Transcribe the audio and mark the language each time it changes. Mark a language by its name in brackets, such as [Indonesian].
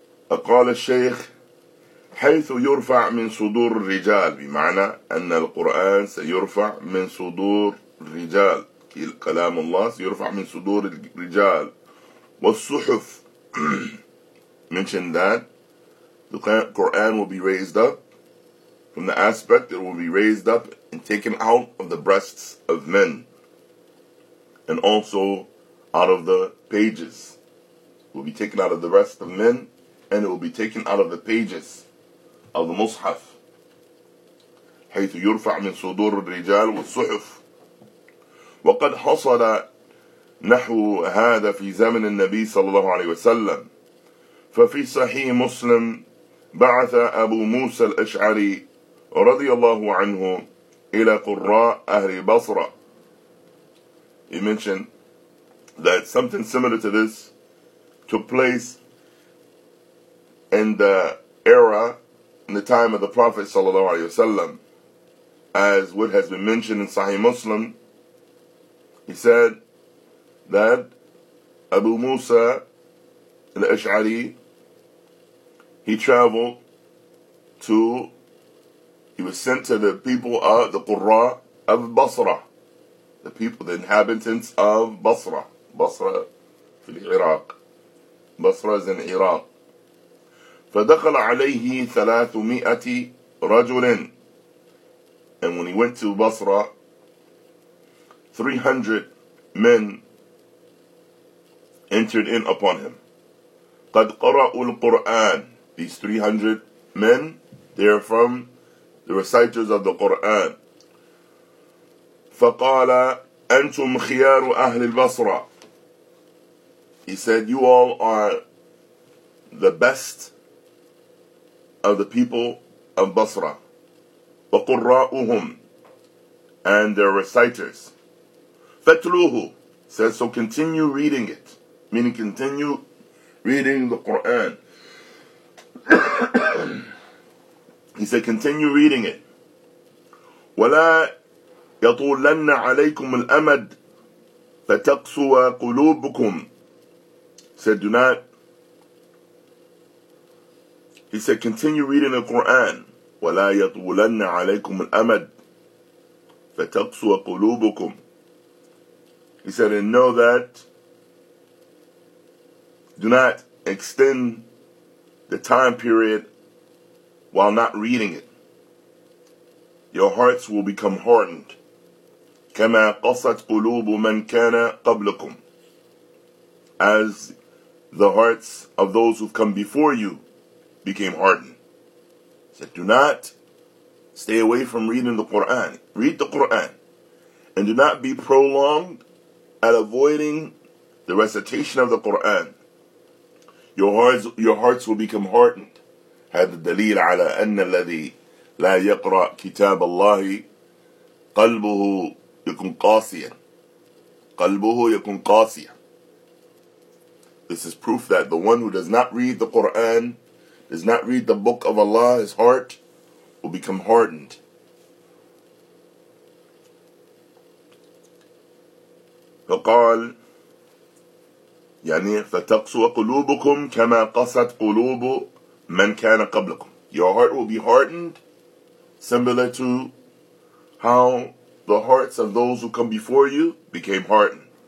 [Arabic] قال الشيخ حيث يرفع من صدور الرجال, بمعنى أن القرآن سيرفع من صدور الرجال, كلام الله سيرفع من صدور الرجال والصحف. [English] Mentioned that the Quran will be raised up from the aspect it will be raised up and taken out of the breasts of men, and also out of the pages. It will be taken out of the breast of men, and it will be taken out of the pages of the Mus'haf. [Arabic] حيث يرفع من صدور الرجال والصحف. وقد حصل نحو هذا في زمن النبي صلى الله عليه وسلم. ففي صحيح مسلم بعث أبو موسى الأشعري رضي الله عنه إلى قراء أهل بصرة. [English] He mentioned that something similar to this took place in the era, in the time of the Prophet صلى الله عليه وسلم, as what has been mentioned in Sahih Muslim. He said that Abu Musa al-Ash'ari, he traveled to, he was sent to the people of the Qurra of Basra, the people, the inhabitants of Basra. Basra in Iraq. Basra is in Iraq. [Arabic] فدخل عليه 300 رجل. [English] And when he went to Basra, 300 men entered in upon him. [Arabic] قد قرأوا القرآن. [English] These 300 men, they are from the reciters of the Quran. [Arabic] فقال أنتم خيار أهل البصرة. [English] He said, you all are the best of the people of Basra. [Arabic] وقراؤهم, [English] and their reciters. [Arabic] فتلوه, [English] says, so continue reading it, meaning continue reading the Quran. He said, continue reading it. [Arabic] ولا يطولن عليكم الأمد فتقسوا قلوبكم. [English] Said, do not. He said, continue reading the Quran. [Arabic] ولا يطولن عليكم الأمد فتقسوا قلوبكم. [English] He said, and know that, do not extend the time period while not reading it. Your hearts will become hardened. [Arabic] كما قصت قلوب من كان قبلكم. [English] As the hearts of those who've come before you became hardened. He said, do not stay away from reading the Quran. Read the Quran. And do not be prolonged at avoiding the recitation of the Quran. Your hearts will become hardened. [Arabic] هذا الدليل على أن الذي لا يقرأ كتاب الله قلبه يكون قاسيا. قلبه يكون قاسيا. [English] This is proof that the one who does not read the Quran, does not read the book of Allah, his heart will become hardened. [Arabic] فقال يعني فتقسو قلوبكم كما قصت قلوب من كان قبلكم. [English] Your heart will be hardened, similar to how the hearts of those who come before you became hardened.